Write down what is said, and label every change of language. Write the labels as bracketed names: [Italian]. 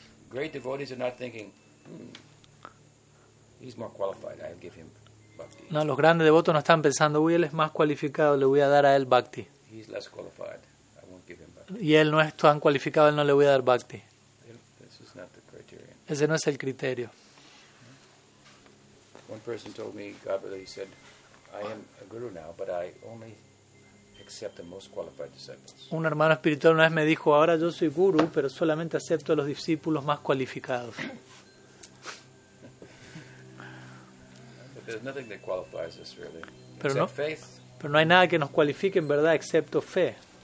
[English] Great devotees are not thinking, he's more qualified, I'll give him [Spanish] No, los grandes devotos no están pensando, uy, él es más cualificado, le voy a dar a él bhakti. [English] He's less qualified. I won't give him bhakti. [Spanish] Y él no es tan cualificado, él no le voy a dar bhakti. [English] This is not the criterion. [Spanish] Ese no es el criterio. [English] One person told me, Gavali, he said, I am a guru now, but I only accept the most qualified disciples. [Spanish] Un hermano espiritual una vez me dijo, ahora yo soy guru, pero solamente acepto a los discípulos más cualificados. [English] There's nothing that qualifies us, really. [Spanish] Pero [English] except [Spanish] no, [English] faith. [Spanish] Pero no hay nada que nos cualifique, en verdad, excepto fe.